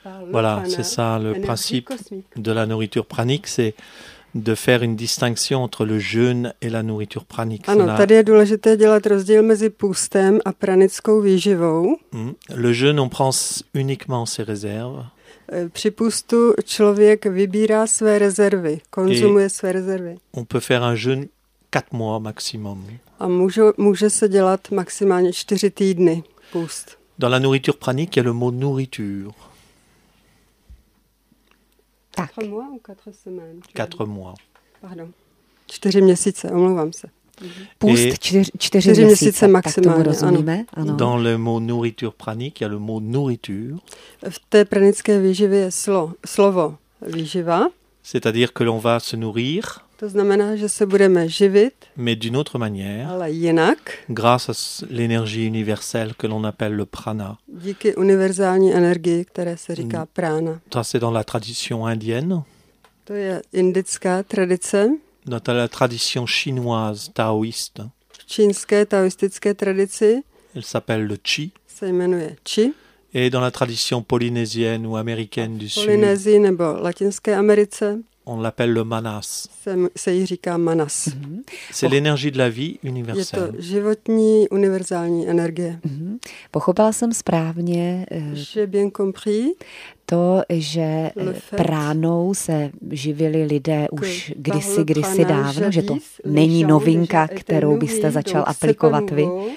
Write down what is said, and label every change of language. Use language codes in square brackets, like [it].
[fr] Voilà, c'est ça le principe de la nourriture pranique, c'est de faire une distinction entre le jeûne et la nourriture pranique. [cs] Ano, tady je důležité dělat rozdíl mezi půstem a pranickou výživou. [fr] Le jeûne, on prend uniquement ses réserves. [cs] Při půstu člověk vybírá své rezervy, konzumuje své rezervy. [fr] On peut faire un jeûne 4 mois maximum. [cs] A může se dělat maximálně 4 týdny půst. [fr] Dans la nourriture pranique, il y a le mot nourriture. [cs] Tak. 4 [fr] mois ou 4 semaines? 4 mois. [cs] Pardon. 4 měsíce, omlouvám se. Půst 4 měsíce maximálně, tak to rozumíme. Ano. [fr] Dans le mot nourriture pranique, il y a le mot nourriture. [cs] V té pranické výživě je slovo výživa. [fr] C'est-à-dire que l'on va se nourrir. [cs] To znamená, že se budeme živit. [fr] Mais d'une autre manière. [cs] Ale jinak. [fr] Grâce à l'énergie universelle que l'on appelle le prana. [cs] Díky univerzální energii, které se říká prana. [fr] Ça c'est dans la tradition indienne. [cs] To je indická tradice. [fr] Dans la tradition chinoise taoïste. [cs] V čínské taoistické tradici. [fr] Elle s'appelle le qi. [cs] Se jmenuje qi. [fr] Et dans la tradition polynésienne ou américaine du sud. [cs] Polynésie nebo latinské Americe. [fr] On l'appelle le manas. [cs] Se jí říká manas. Mm-hmm. [fr] C'est l'énergie de la vie universelle. [cs] Je to životní univerzální energie. Mm-hmm. Pochopila jsem správně. [fr] J'ai bien compris. [cs] To, že pránou se živili lidé už kdysi dávno, že to není novinka, kterou byste začal aplikovat vy.